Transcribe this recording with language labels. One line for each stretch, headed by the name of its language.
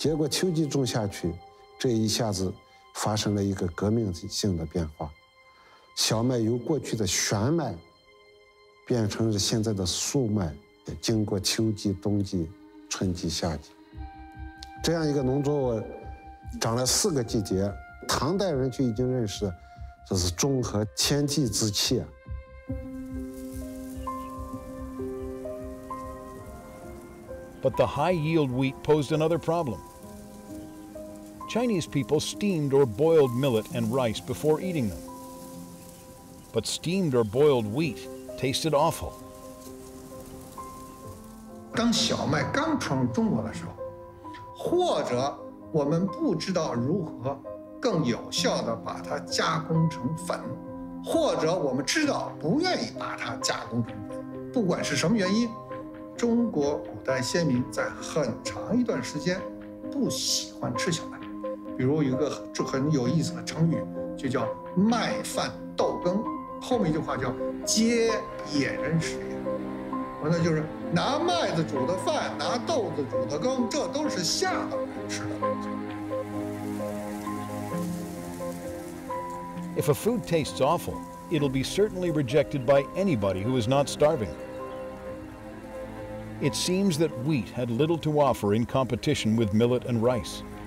Chinese: 结果秋季种下去，这一下子发生了一个革命性的变化，小麦由过去的旋麦变成了现在的粟麦，也经过秋季、冬季、春季、夏季，这样一个农作物长了四个季节，唐代人就已经认识这是中和天地之气啊。
English: But the high-yield wheat posed another problem. Chinese people steamed or boiled millet and rice before eating them. But steamed or boiled wheat tasted awful.
Chinese: 当小麦刚闯入中国的时候，或者我们不知道如何更有效地把它加工成粉，或者我们知道不愿意把它加工成粉，不管是什么原因。中国古代先民在很长一段时间不喜欢吃小麦，比如有一个很有意思的成语，就叫麦饭豆羹，后面一句话叫皆野人食也，我那就是拿麦子煮的饭，拿豆子煮的羹，这都是下等人吃的东西。
English: If a food tastes awful, it'll be certainly rejected by anybody who is not starving. It seems that wheat had little to offer in competition with millet and rice.